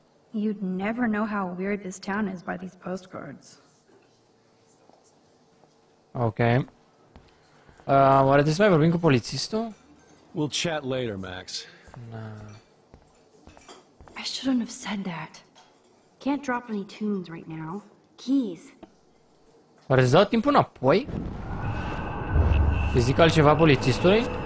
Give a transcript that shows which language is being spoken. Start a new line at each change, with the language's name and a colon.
English: You'd never know how weird this town is by these postcards. Okay.
Romanian: Oare trebuie să mai vorbim cu polițistul?
English: We'll chat later, Max. Nah. I shouldn't have said that. Can't drop any tunes right now. Keys.
Romanian: Oare îți dau timpul înapoi? Îi zic altceva polițistului?